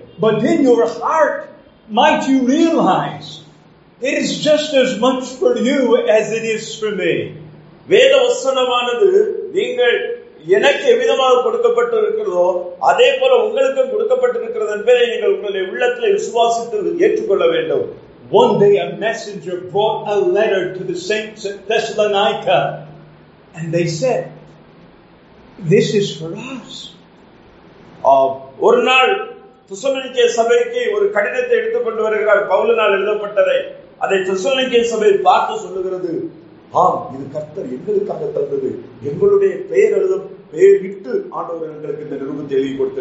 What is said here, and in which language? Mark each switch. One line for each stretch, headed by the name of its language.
English: But in your heart, might you realize it is just as much for you as it is for me.
Tamil: வேத வசனமானது நீங்கள் எனக்கு எவ்விதமாக கொடுக்கப்பட்டு இருக்கிறதோ அதே போல உங்களுக்கும் கொடுக்கப்பட்டிருக்கிறது என்பதை நீங்கள் உங்களுடைய உள்ளத்தில் விசுவாசித்து ஏற்றுக்கொள்ள வேண்டும்.
English: One day a messenger brought a letter to the saints at Thessalonica and they said, "This is for us."
Tamil: ஒரு நாள் தெசலோனிக்கே சபைக்கு ஒரு கடிதத்தை எடுத்துக்கொண்டு வருகிறார் பவுலினால் எழுதப்பட்டதை. அதை தெசலோனிக்கே சபை பார்த்து சொல்லுகிறது, ஆம், இது கர்த்தர் எங்களுக்காக தந்தது, எங்களுடைய பெயர் எழுதும் பெயர் விட்டு ஆண்டவர் எங்களுக்கு இந்த நிருபத்தை எழுதி